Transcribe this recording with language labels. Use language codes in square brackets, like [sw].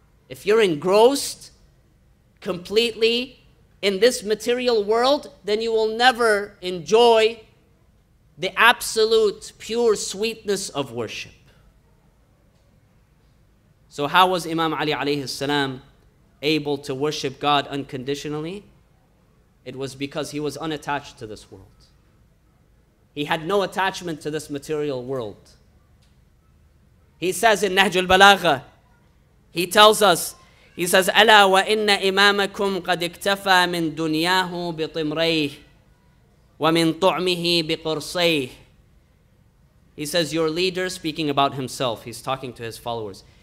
[en] If you're engrossed completely in this material world, then you will never enjoy the absolute pure sweetness of worship. So how was Imam Ali alayhi salam able to worship God unconditionally? It was because he was unattached to this world. He had no attachment to this material world. He says in Nahj al-Balagha, he tells us, he says, [ar] أَلَا وَإِنَّ إِمَامَكُمْ قَدْ اِكْتَفَى مِنْ دُنْيَاهُ بِطِمْرَيْهِ وَمِنْ طُعْمِهِ بِقُرْصَيْهِ. [en] He says, your leader, speaking about himself, he's talking to his followers.